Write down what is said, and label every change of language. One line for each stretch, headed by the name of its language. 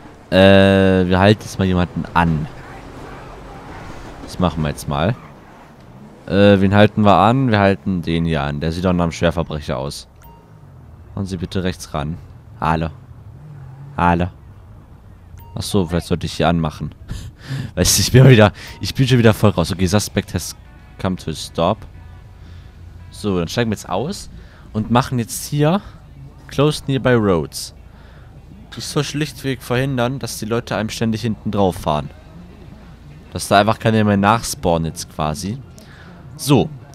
German: Wir halten jetzt mal jemanden an. Das machen wir jetzt mal. Wen halten wir an? Wir halten den hier an. Der sieht doch nach einem Schwerverbrecher aus. Machen Sie bitte rechts ran. Hallo. Achso, vielleicht sollte ich hier anmachen. Weißt du, ich bin schon wieder voll raus.
English: Okay, Suspect has come to a stop.
German: So, dann steigen wir jetzt aus und machen jetzt hier Close Nearby Roads. Das soll schlichtweg verhindern, dass die Leute einem ständig hinten drauf fahren. Dass da einfach keiner mehr nachspawnt jetzt quasi. So.